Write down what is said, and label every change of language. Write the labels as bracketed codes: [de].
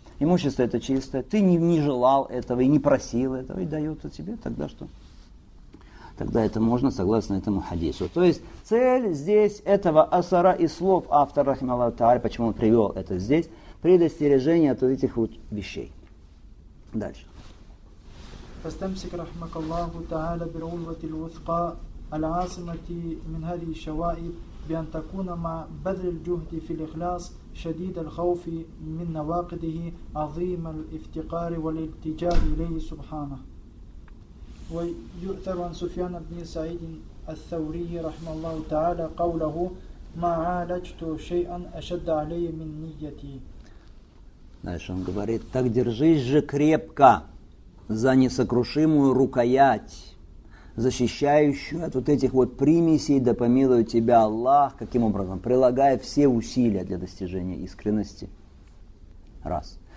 [ru] Имущество это чистое, ты не желал этого и не просил этого, и дает это тебе, тогда что? Тогда это можно согласно этому хадису. То есть, цель здесь этого асара и слов автора, рахмаллаху тааля, почему он привел это здесь, предостережение от этих вот вещей. Дальше. [ar] فاستمسك رحمك الله تعالى بالعروة الوثقى العاصمة من هذه الشوائب بأن تكون مع بذل الجهد في الإخلاص شديد الخوف من نواقضه عظيم الافتقار والالتجاء إليه سبحانه. ويؤثر عن سفيان بن سعيد الثوري رحمه الله تعالى قوله: ما عالجت شيئا أشد علي من نيتي. [ru] Дальше он говорит: так держись же крепко за несокрушимую рукоять, защищающую от вот этих вот примесей, да помилует тебя Аллах, каким образом? Прилагая все усилия для достижения искренности. Раз.